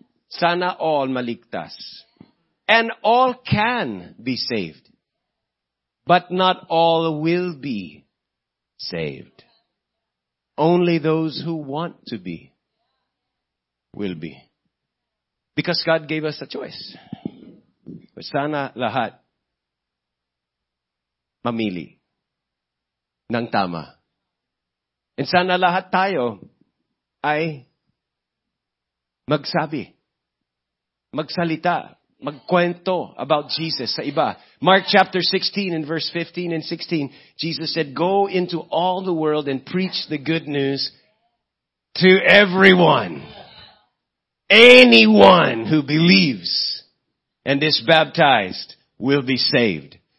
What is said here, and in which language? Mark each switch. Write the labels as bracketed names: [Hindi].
[English] Sana all maligtas. And all can be saved. But not all will be saved. Only those who want to be will be. Because God gave us a choice. [Filipino] Sana lahat mamili ng tama. And sana lahat tayo ay magsabi, magsalita, magkwento about Jesus sa iba. [English] Mark chapter 16 and verse 15 and 16, Jesus said, go into all the world and preach the good news to everyone. Anyone who believes and is baptized will be saved.